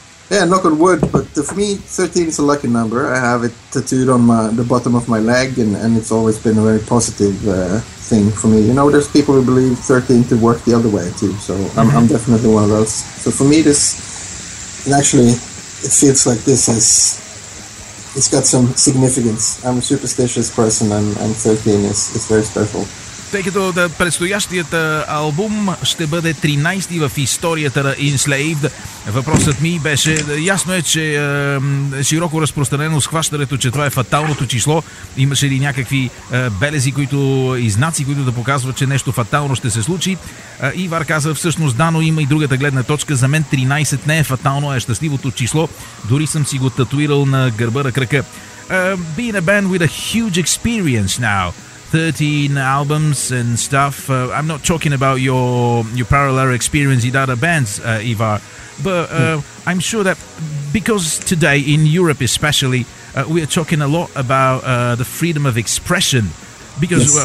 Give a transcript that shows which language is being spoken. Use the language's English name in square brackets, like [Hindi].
[English] Yeah, knock on wood, but for me, 13 is a lucky number. I have it tattooed on the bottom of my leg, and it's always been a very positive thing for me. You know, there's people who believe 13 to work the other way, too, so mm-hmm. I'm definitely one of those. So for me, this, and actually, it feels like this has, it's got some significance. I'm a superstitious person, and 13 is very special. [Bulgarian] Тъй като предстоящият албум ще бъде 13-ти в историята на Enslaved, въпросът ми беше, ясно е, че широко разпространено схващането, че това е фаталното число, имаше ли някакви белези които, и знаци, които да показват, че нещо фатално ще се случи. Ивар каза, всъщност да, но има и другата гледна точка, за мен 13 не е фатално, а е щастливото число, дори съм си го татуирал на гърба на крака. [English] Being a band with a huge experience now, 13 albums and stuff. I'm not talking about your parallel experience with other bands, Ivar, but I'm sure that because today in Europe especially, we are talking a lot about the freedom of expression because yes.